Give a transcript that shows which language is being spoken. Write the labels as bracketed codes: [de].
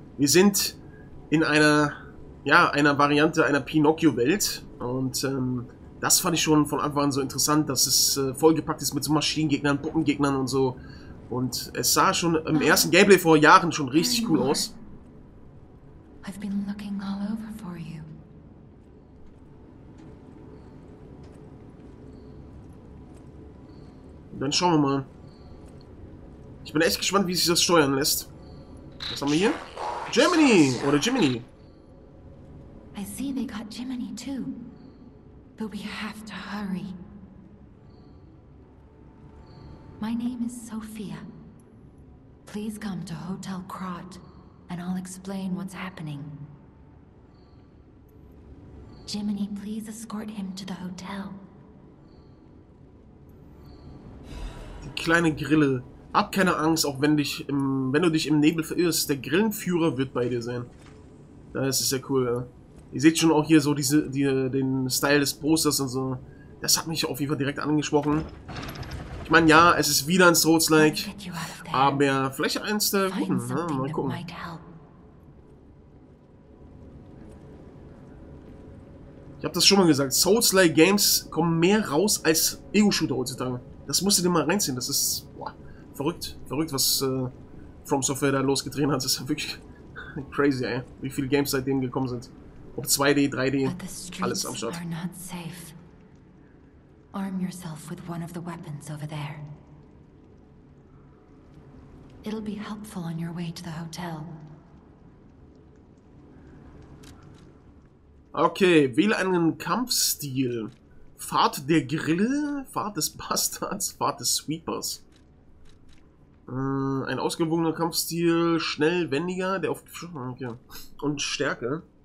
[de] Wir sind in einer, ja, einer Variante einer Pinocchio-Welt. Und das fand ich schon von Anfang an so interessant, dass es vollgepackt ist mit so Maschinengegnern, Puppengegnern und so. Und es sah schon im ersten Gameplay vor Jahren schon richtig cool aus. [en] I've been looking all over for you. [de] Und dann schauen wir mal. Ich bin echt gespannt, wie sich das steuern lässt. Was haben wir hier? Jiminy! Oder Jiminy! [en] I see they got Jiminy too. But we have to hurry. My name is Sophia. Please come to Hotel Krott and I'll explain what's happening. Jiminy, please escort him to the hotel. [de] Die kleine Grille. Hab keine Angst, auch wenn dich im, wenn du dich im Nebel verirrst, der Grillenführer wird bei dir sein. Das ist sehr cool, ja. Ihr seht schon auch hier so diese, die, den Style des Posters und so. Das hat mich auf jeden Fall direkt angesprochen. Ich meine, ja, es ist wieder ein Souls-like, aber vielleicht eins der guten. Ja, mal gucken. Ich habe das schon mal gesagt, Souls-like-Games kommen mehr raus als Ego-Shooter heutzutage. Das musst du dir mal reinziehen, das ist... Boah. Verrückt, verrückt, was From Software da losgetreten hat. Das ist wirklich crazy, ey. Wie viele Games seitdem gekommen sind. Ob 2D, 3D, alles am Start. [en] Not safe. Arm yourself with one of the weapons over there. It'll be helpful on your way to the hotel. [de] Okay, wähle einen Kampfstil. Fahrt der Grille, Fahrt des Bastards, Fahrt des Sweepers. Ein ausgewogener Kampfstil, schnell, wendiger, der auf... Okay. Und Stärke.